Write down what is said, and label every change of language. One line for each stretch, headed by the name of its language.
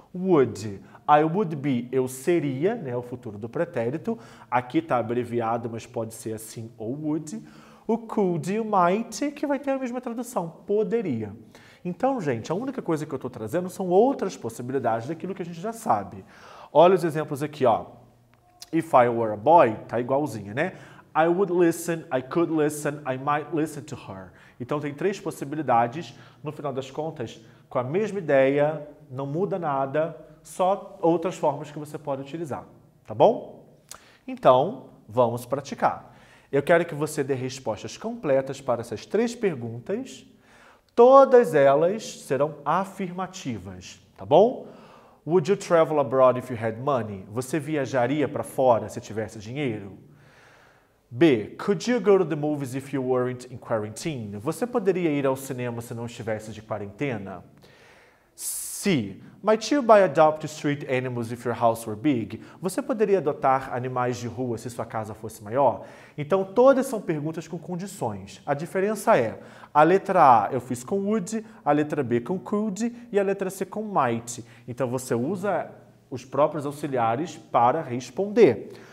English: Would, I would be,
Portuguese: eu seria, né, o futuro do pretérito. Aqui está abreviado, mas pode ser assim ou would. O could, o might, que vai ter a mesma tradução, poderia. Então, gente, a única coisa que eu estou trazendo são outras possibilidades daquilo que a gente já sabe. Olha os exemplos aqui, ó.
English: If I were a boy,
Portuguese: tá igualzinho, né?
English: I would listen, I could listen, I might listen to her.
Portuguese: Então, tem três possibilidades. No final das contas, com a mesma ideia, não muda nada, só outras formas que você pode utilizar, tá bom? Então, vamos praticar. Eu quero que você dê respostas completas para essas três perguntas. Todas elas serão afirmativas, tá bom?
English: Would you travel abroad if you had money?
Portuguese: Você viajaria para fora se tivesse dinheiro?
English: B. Could you go to the movies if you weren't in quarantine?
Portuguese: Você poderia ir ao cinema se não estivesse de quarentena? C.
English: Might you buy adopt street animals if your house were big?
Portuguese: Você poderia adotar animais de rua se sua casa fosse maior? Então, todas são perguntas com condições. A diferença é, a letra A eu fiz com would, a letra B com could e a letra C com might. Então, você usa os próprios auxiliares para responder.